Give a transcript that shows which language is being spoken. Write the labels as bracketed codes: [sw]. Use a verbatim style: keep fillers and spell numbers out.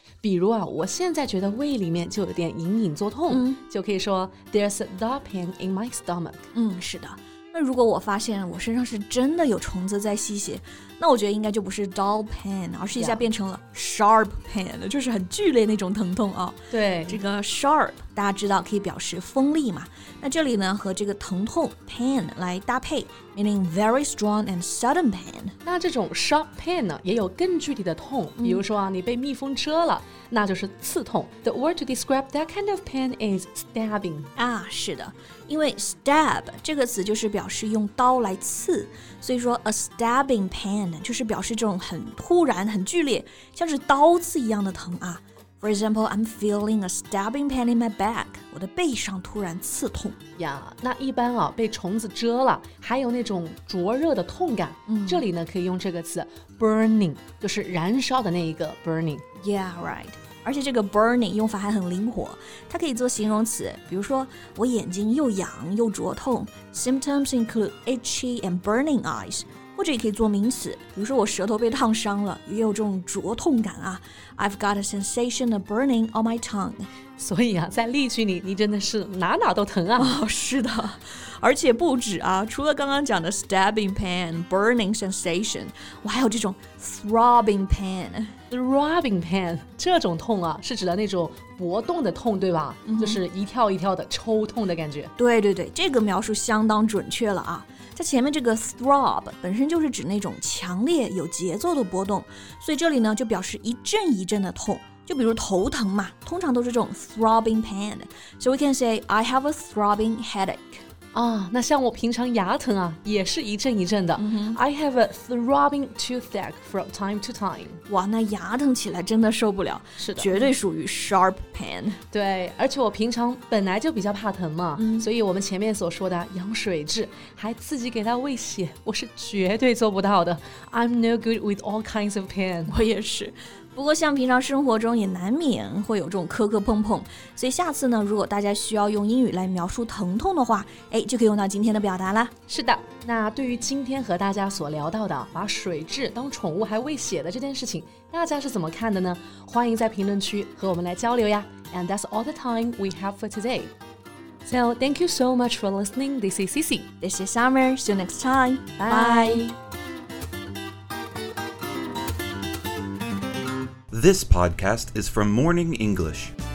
[zh] 比如啊，我现在觉得胃里面就有点隐隐作痛、嗯、就可以说 [en] There's a dull pain in my stomach [zh] 嗯，是的。那如果我发现我身上是真的有虫子在吸血，那我觉得应该就不是 dull pain， 而是一下变成了 sharp pain， 就是很剧烈那种疼痛啊。对，这个 sharp 大家知道可以表示锋利嘛。那这里呢和这个疼痛 pain 来搭配 [en] meaning very strong and sudden pain。 [zh] 那这种 sharp pain 呢也有更具体的痛，比如说啊你被蜜蜂蛰了，那就是刺痛。 [en] The word to describe that kind of pain is stabbing。 [zh] 啊是的，因为 stab 这个词就是表示用刀来刺，所以说 [en] a stabbing pain [zh] 就是表示这种很突然很剧烈像是刀刺一样的疼啊。 [en] For example, I'm feeling a stabbing pain in my back. [zh] 我的背上突然刺痛。呀、yeah, 那一般啊被虫子蛰了还有那种灼热的痛感、嗯、这里呢可以用这个词 burning， 就是燃烧的那一个 burning。 [en] Yeah, right. [zh] 而且这个 burning 用法还很灵活，它可以做形容词，比如说我眼睛又痒又灼痛， [en] symptoms include itchy and burning eyes。 [zh] 或者也可以做名词，比如说我舌头被烫伤了，也有这种灼痛感啊。 [en] I've got a sensation of burning on my tongue。 [zh] 所以啊，在例句里，你真的是哪哪都疼啊。哦，是的，而且不止啊，除了刚刚讲的 stabbing pain、burning sensation， 我还有这种 throbbing pain。 Throbbing pain 这种痛啊，是指的那种搏动的痛，对吧？嗯、就是一跳一跳的抽痛的感觉。对对对，这个描述相当准确了啊。它前面这个 throb 本身就是指那种强烈有节奏的波动，所以这里呢就表示一阵一阵的痛，就比如头疼嘛，通常都是这种 throbbing pain。 [en] So we can say I have a throbbing headache。 [zh] 啊，那像我平常牙疼啊也是一阵一阵的、mm-hmm. [en] I have a throbbing toothache from time to time。 [zh] 哇，那牙疼起来真的受不了，是的，绝对属于 sharp pain。对，而且我平常本来就比较怕疼嘛、嗯、所以我们前面所说的羊水质还自己给它喂血，我是绝对做不到的。 [en] I'm no good with all kinds of pain。 [zh] 我也是，不过像平常生活中也难免会有这种磕磕碰碰，所以下次呢如果大家需要用英语来描述疼痛的话，哎，就可以用到今天的表达啦。是的，那对于今天和大家所聊到的把水蛭当宠物还喂血的这件事情，大家是怎么看的呢？欢迎在评论区和我们来交流呀。 [en] And that's all the time we have for today. So thank you so much for listening. This is Cici. This is Summer. See you next time. Bye, bye. This podcast is from Morning English.